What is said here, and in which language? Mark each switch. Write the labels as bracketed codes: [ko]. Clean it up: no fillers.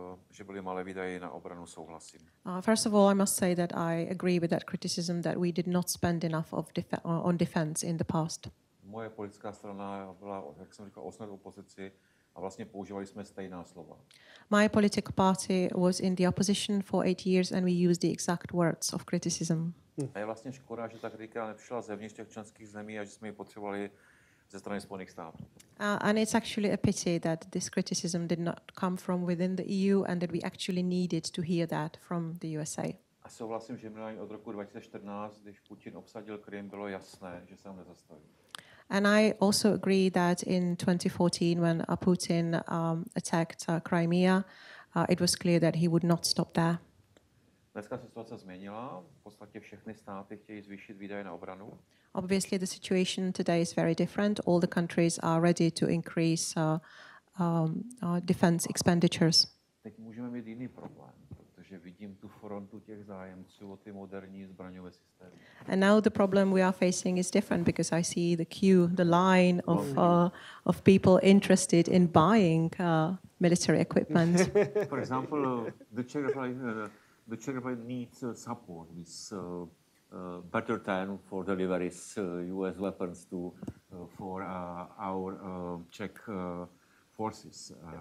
[cs] Že byly malé výdaje na obranu, souhlasím. [en] First of all, I must say that I agree with that criticism that we did not spend enough of on defense in the past. [cs] Moje politická strana byla, jak jsem říkal, osnad opozici a vlastně používali jsme stejná slova. [en] My political party was in the opposition for 8 years and we used the exact words of criticism. [cs] A je vlastně škoda, že ta kritika nepřišla zevnitř těch členských zemí a že jsme ji potřebovali ze strany Spojených států. [en] And it's actually a pity that this criticism did not come from within the EU and that we actually needed to hear that from the USA. [cs] A souhlasím, že minulý od roku 2014, když Putin obsadil Krym, bylo jasné, že se tam nezastaví. [en] And I also agree that in 2014 when Putin attacked Crimea, it was clear that he would not stop there. [cs] Dneska se situace změnila. V podstatě všechny státy chtějí zvýšit výdaje na obranu. [en] Obviously, the situation today is very different. All the countries are ready to increase defense expenditures. [cs] Teď můžeme mít jiný problém, protože vidím tu frontu těch zájemců o ty moderní zbraňové systémy. [en] And now the problem we are facing is different because I see the queue, the line of people interested in buying military equipment. For example, the Czech Republic needs support with better time for deliveries US weapons to for our Czech forces